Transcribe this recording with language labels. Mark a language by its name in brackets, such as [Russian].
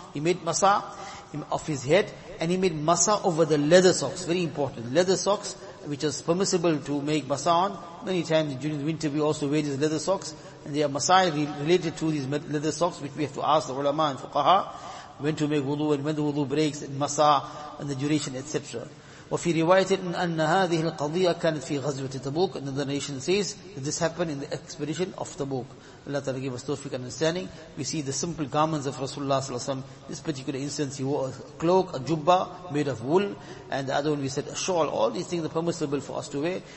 [English] He made masah of his head, and he made masah over the leather socks. Very important. Leather socks, which is permissible to make masah on. Many times during the winter we also wear these leather socks, and they are masah related to these leather socks, which we have to ask the ulama and fuqaha when to make wudu and when the wudu breaks, and masah and the duration, etc. [Arabic] وفي رواية أن هذه القضية كانت في غزوة تبوك. [English] Another narration says that this happened in the expedition of Tabuk. Allah Ta'ala give us tawfiq and understanding. We see the simple garments of Rasulullah Sallallahu Alaihi Wasallam. This particular instance, he wore a cloak, a jubba made of wool, and the other one we said a shawl. All these things are permissible for us to wear.